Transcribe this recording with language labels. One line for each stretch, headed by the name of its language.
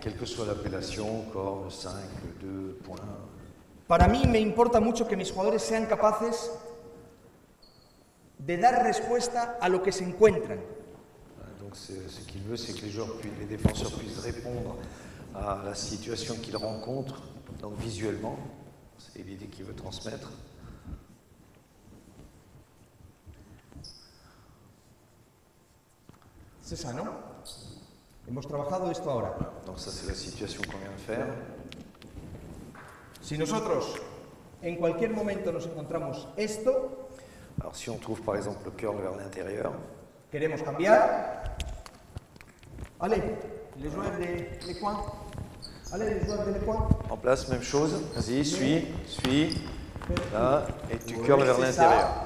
French: Quel que soit l'appellation, corne, cinq, deux, point...
Spanish: Para mí me importa mucho que mis jugadores sean capaces de dar respuesta a lo que se encuentran. Entonces, lo que él quiere es que los jugadores, los defensores, puedan responder a la situación que se encuentran, entonces, visualmente, es la idea que quiere transmitir.
French: C'est ça, non?
Spanish: Hemos trabajado esto ahora.
French: Donc ça, c'est la situation qu'on vient de faire.
Spanish: Si nosotros, en cualquier momento, nos encontramos esto...
French: Alors, si on trouve, par exemple, le curl vers l'intérieur...
Spanish: Queremos cambiar...
French: Allez, les joueurs de les coins. Allez, les joueurs de les coins. En place, même chose. Vas-y, suis, suis. Là, et tu curl vers l'intérieur.